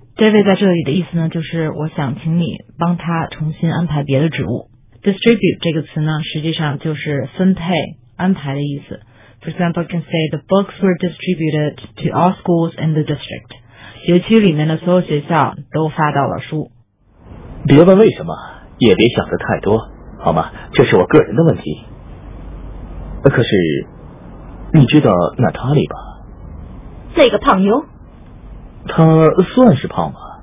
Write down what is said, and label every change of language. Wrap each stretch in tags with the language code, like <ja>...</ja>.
<zh>David 在这里的意思呢就是我想请你帮他重新安排别的职务。 Distribute 这个词呢实际上就是分配安排的意思。</zh> <en>For example, you can say the books were distributed to all schools in the district.</en> <zh>学区里面的所有学校都发到了书。别问为什么，也别想得太多，好吗？这是我个人的问题。可是，你知道娜塔莉吧？这个胖妞。她算是胖吗？</zh>